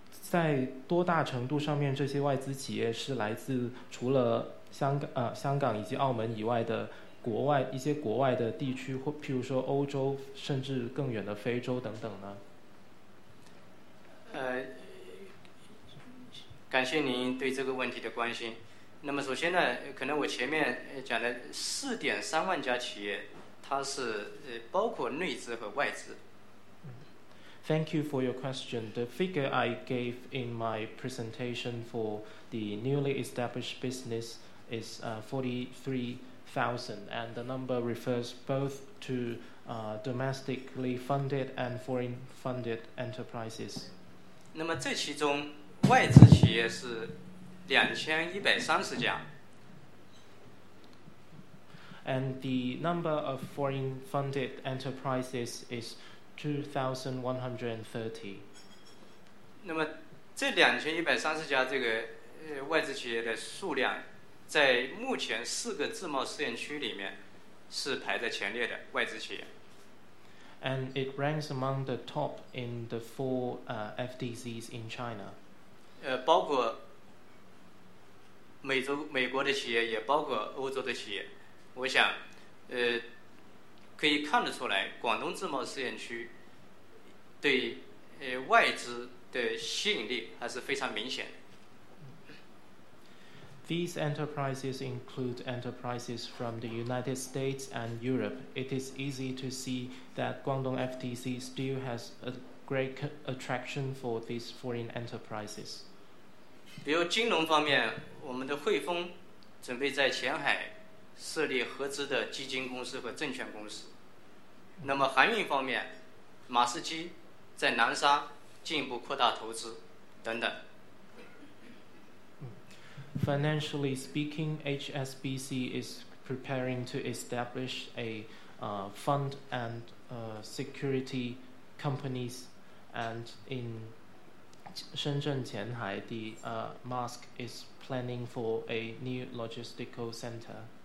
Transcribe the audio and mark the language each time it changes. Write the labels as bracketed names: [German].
[Chinese] 在多大程度上面，这些外资企业是来自除了香港以及澳门以外的国外，一些国外的地区，或譬如说欧洲，甚至更远的非洲等等呢？感谢您对这个问题的关心。那么首先呢，可能我前面讲的4.3万家企业，它是包括内资和外资。 [English] Thank you for your question. The figure I gave in my presentation for the newly established business is 43,000, and the number refers both to domestically funded and foreign funded enterprises. [Chinese] 那么这其中外资企业是 2130家。 [English] And the number of foreign funded enterprises is [Chinese] 2130。那么，这2130家这个外资企业的数量，在目前4个自贸试验区里面是排在前列的外资企业。 [English] And it ranks among the top in the four FDCs in China. [Chinese] 包括美国的企业，也包括欧洲的企业。我想，可以看得出来，广东自贸试验区。对，外资的吸引力还是非常明显。 [English] These enterprises include enterprises from the United States and Europe. It is easy to see that Guangdong FTC still has a great attraction for these foreign enterprises. [Chinese] 比如金融方面, 我们的汇丰 准备在前海 设立合资的基金公司和证券公司。那么航运方面, 马士基 在南沙 进一步扩大投资。 [English] Financially speaking, HSBC is preparing to establish a fund and security companies, and in Shenzhen, Tianhai, the MASC is planning for a new logistical center.